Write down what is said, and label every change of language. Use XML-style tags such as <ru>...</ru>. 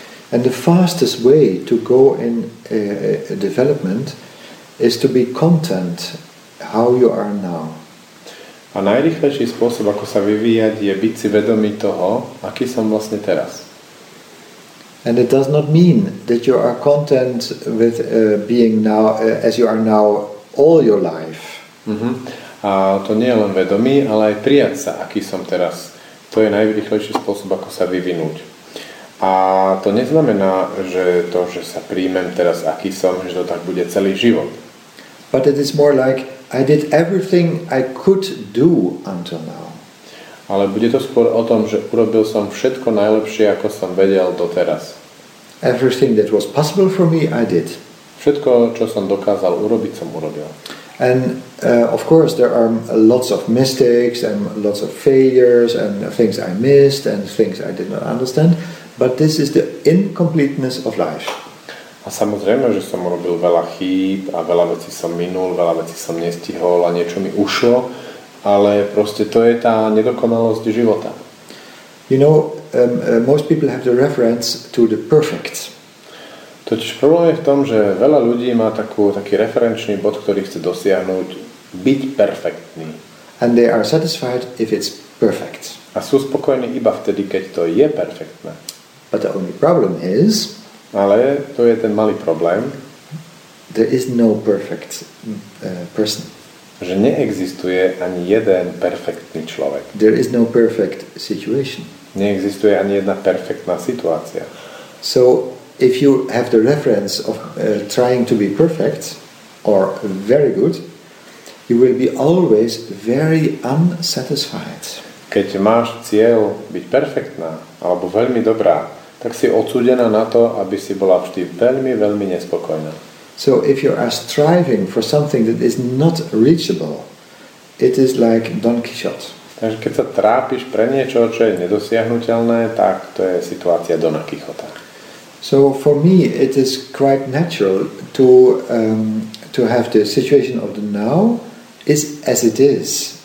<en>And the fastest way to go in development is to be content how you are now.</en> <sk>A najrýchlejší spôsob, ako sa vyvíjať, je byť si vedomý toho, aký som vlastne teraz.</sk> <en>And it does not mean that you are content with being now as you are now all your life. Mm-hmm.</en> <sk>A to nie je len vedomý, ale aj prijať sa, aký som teraz. To je najrýchlejší spôsob, ako sa vyvinúť. A to neznamená, že to, že sa príjmem teraz, aký som, že to tak bude celý život.</sk> <en>But it is more like I did everything I could do until now.</en> <sk>Ale bude to skôr o tom, že urobil som všetko najlepšie, ako som vedel doteraz.</sk> <en>Everything that was possible for me, I did.</en> <sk>Všetko, čo som dokázal urobiť, som urobil.</sk> <en>And of course there are lots of mistakes and lots of failures and things I missed and things I did not understand, but this is the incompleteness of life.</en> <sk>A samozrejme, že som urobil veľa chýb a veľa vecí som minul, veľa vecí som nestihol a niečo mi ušlo, ale proste to je tá nedokonalosť života.</sk> <en>You know, most people have the reference to the perfect.</en> <sk>Totiž problém je v tom, že veľa ľudí má taký referenčný bod, ktorý chce dosiahnuť, byť perfektný.</sk> <en>And they are satisfied if it's perfect.</en> <sk>A sú spokojní iba vtedy, keď to je perfektné.</sk> <en>But the only problem is...</en> <sk>Ale to je ten malý problém.</sk> <en>There is no perfect person.</en> <sk>Že neexistuje ani jeden perfektný človek.</sk> <en>There is no perfect situation.</en> <sk>Neexistuje ani jedna perfektná situácia.</sk> <en>So if you have the reference of trying to be perfect or very good, you will be always very unsatisfied.</en> <sk>Keď máš cieľ byť perfektná alebo veľmi dobrá, tak si odsúdená na to, aby si bola vždy veľmi, veľmi nespokojná.</sk> <en>So if you are striving for something that is not reachable, it is like Don Quixote.</en> <sk>Takže keď sa trápiš pre niečo, čo je nedosiahnuteľné, tak to je situácia Dona Quixota.</sk> <en>So for me it is quite natural to have the situation of the now is as it is.</en>